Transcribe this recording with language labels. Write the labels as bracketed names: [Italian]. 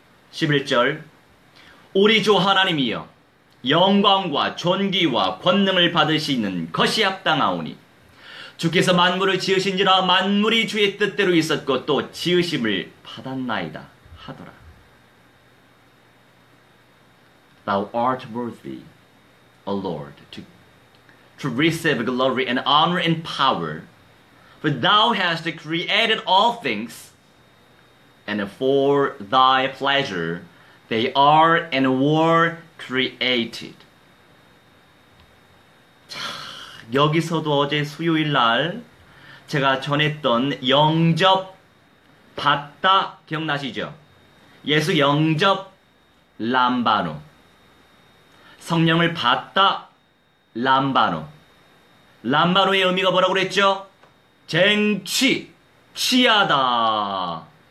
[Korean] 11절 우리 주 하나님이여 영광과 존귀와 권능을 받으시는 것이 합당하오니 주께서 만물을 지으신지라 만물이 주의 뜻대로 있었고 또 지으심을 받았나이다 하더라. [English] Thou art worthy, O Lord, to receive glory and honor and power, for Thou hast created all things, and for Thy pleasure they are and were created. [Korean] 여기서도 어제 수요일 날 제가 전했던 영접 받다 기억나시죠? 예수 영접 람바노 성령을 받다 람바노 람바노의 의미가 뭐라고 그랬죠? 쟁취, 취하다